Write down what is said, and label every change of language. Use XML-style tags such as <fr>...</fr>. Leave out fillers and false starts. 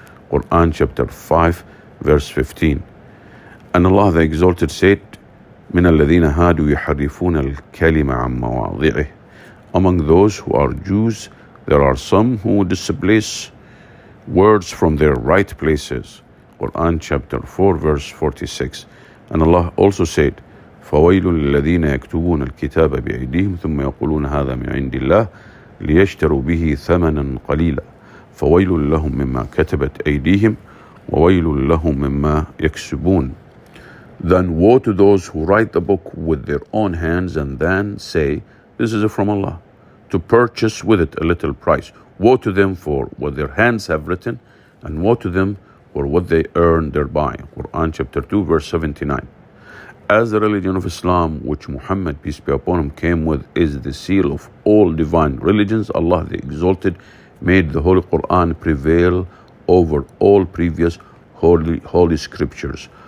<en>Quran chapter 5, verse 15. And Allah the Exalted said,</en> <ar>مِنَ الَّذِينَ هَادُوا يُحَرِّفُونَ الْكَلِمَ عَمْ مَوَاضِعِهِ.</ar> <en>Among those who are Jews, there are some who displace words from their right places. Quran chapter 4, verse 46. And Allah also said,</en> <ar>فويل للذين يكتبون الكتاب بأيديهم ثم يقولون هذا من عند الله ليشتروا به ثمنا قليلا فويل لهم مما كتبت أيديهم وويل لهم مما يكسبون.</ar> <en>Then woe to those who write the book with their own hands and then say, this is from Allah, to purchase with it a little price. Woe to them for what their hands have written, and woe to them for what they earn thereby. Quran chapter 2, verse 79. As the religion of Islam, which Muhammad, peace be upon him, came with, is the seal of all divine religions, Allah the Exalted made the Holy Quran prevail over all previous holy scriptures.</en>